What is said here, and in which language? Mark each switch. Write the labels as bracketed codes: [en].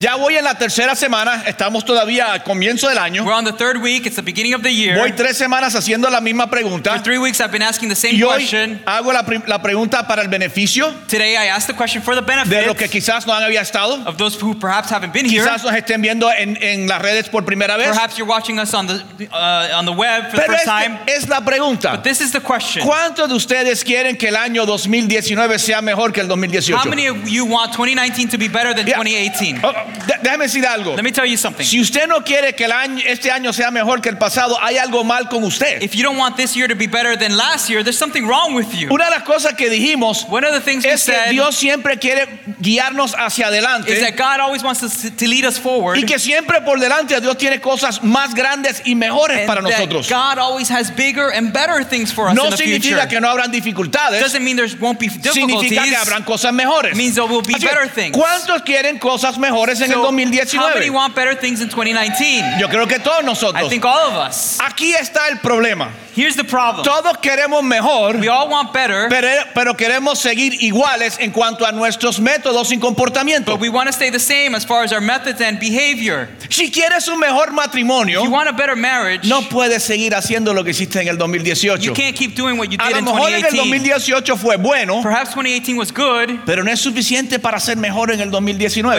[es] Ya voy en la tercera semana, estamos todavía al comienzo del año. [en] We're on the third week, it's the beginning of the year. [es] Voy tres semanas haciendo la misma pregunta. [en] For 3 weeks I've been asking the same [es] y hoy [en] question. [es] Hago la pregunta para el beneficio. [en] Today I asked the question for the benefit. [es] De los que quizás no han había estado. [en] Of those who perhaps haven't been [es] quizás [en] here. [es] Quizás nos estén viendo en las redes por primera vez. [en] Perhaps you're watching us on the web for [es] Pero [en] the first time. [es] Es la pregunta. [en] But this is the question. [es] ¿Cuántos de ustedes quieren que el año 2019 sea mejor que el 2018? [en] How many of you want 2019 to be better than 2018? [es] Déjame decir algo. [en] Let me tell you something. [es] Si usted no quiere que este año sea mejor que el pasado, hay algo mal con usted. [en] If you don't want this year to be better than last year, there's something wrong with you. [es] Una de las cosas que dijimos es que Dios siempre quiere guiarnos hacia adelante. [en] Is that God always wants us to lead us forward. [es] Y que siempre por delante Dios tiene cosas más grandes y mejores para nosotros. [en] God always has bigger and better things for us [es] no [en] in the future. [es] No significa que no habrán dificultades. [en] Doesn't mean there won't be difficulties. [es] Significa que habrán cosas mejores. [en] Means there will be [es] Así, [en] better things. [es] ¿Cuántos quieren cosas mejores? [en] So, how many want better things in 2019? [es] Yo creo que todos nosotros. [en] I think all of us. [es] Aquí está el problema. [en] Here's the problem. [es] Todos queremos mejor, [en] we all want better, [es] pero queremos seguir iguales en cuanto a nuestros métodos y comportamiento. [en] But we want to stay the same as far as our methods and behavior. [es] Si quieres un mejor matrimonio, [en] if you want a better marriage, [es] no puedes seguir haciendo lo que hiciste en el 2018. [en] You can't keep doing what you did [es] a lo mejor [en] in 2018. [es] En el 2018 fue bueno, [en] perhaps 2018 was good, [es] pero no es suficiente para ser mejor en el 2019.